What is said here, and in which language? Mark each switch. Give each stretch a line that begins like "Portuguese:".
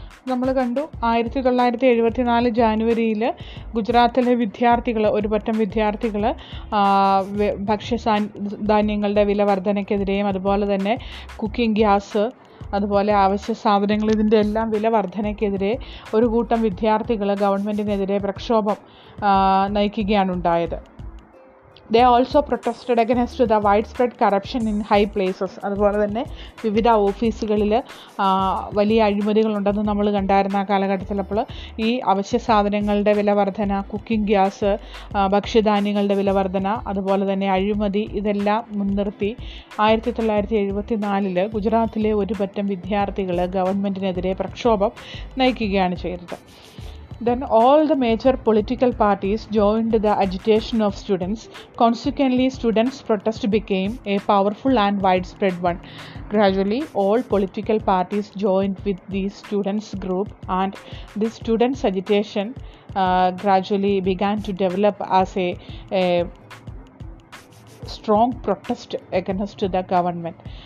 Malayalam: നമ്മൾ കണ്ടു 1974 ജാനുവരിയിൽ ഗുജറാത്തിലെ വിദ്യാർത്ഥികൾ, ഒരുപറ്റം വിദ്യാർത്ഥികൾ ഭക്ഷ്യ ധാന്യങ്ങളുടെ വില വർധനയ്ക്കെതിരെയും അതുപോലെ തന്നെ കുക്കിംഗ് ഗ്യാസ് അതുപോലെ അവശ്യ സാധനങ്ങൾ ഇതിൻ്റെ എല്ലാം വില വർധനയ്ക്കെതിരെ ഒരു കൂട്ടം വിദ്യാർത്ഥികൾ ഗവൺമെൻറ്റിനെതിരെ പ്രക്ഷോഭം നയിക്കുകയാണ് ഉണ്ടായത്.
English: They also protested against the widespread corruption in high places.
Malayalam: അതുപോലെ തന്നെ വിവിധ ഓഫീസുകളിൽ വലിയ അഴിമതികളുണ്ടെന്ന് നമ്മൾ കണ്ടായിരുന്ന ആ കാലഘട്ടത്തിൽ. അപ്പോൾ ഈ അവശ്യ സാധനങ്ങളുടെ വില വർധന, കുക്കിംഗ് ഗ്യാസ്, ഭക്ഷ്യധാന്യങ്ങളുടെ വില വർധന, അതുപോലെ തന്നെ അഴിമതി, ഇതെല്ലാം മുൻനിർത്തി 1974 ഗുജറാത്തിലെ ഒരുപറ്റം വിദ്യാർത്ഥികൾ ഗവൺമെൻറ്റിനെതിരെ പ്രക്ഷോഭം നയിക്കുകയാണ് ചെയ്തത്.
English: Then all the major political parties joined the agitation of students. Consequently, students' protest became a powerful and widespread one. Gradually, all political parties joined with the students' group, and the students' agitation gradually began to develop as a strong protest against the government.